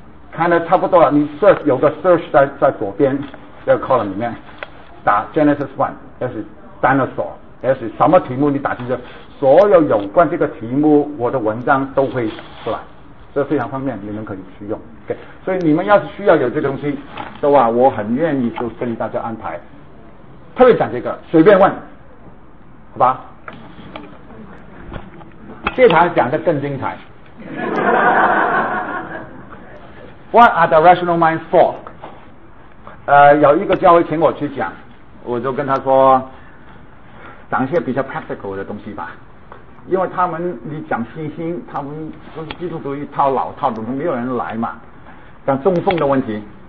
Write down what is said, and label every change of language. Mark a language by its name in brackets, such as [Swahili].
[Chinese] 看得差不多了，你 search 有个 search 在左边这个 column 里面打 Genesis 1，要是 dinosaur， 要是什么题目你打进去，所有有关这个题目我的文章都会出来，这非常方便，你们可以去用、okay。所以你们要是需要有这个东西的话，我很愿意就跟大家安排，特别讲这个随便问，好吧，这场讲得更精彩。 [English] What are the rational minds for？ [Chinese] 有一个教会请我去讲，我就跟他说讲一些比较 practical 的东西吧，因为他们你讲信心，他们都是基督徒一套老套的，没有人来嘛，讲中风的问题，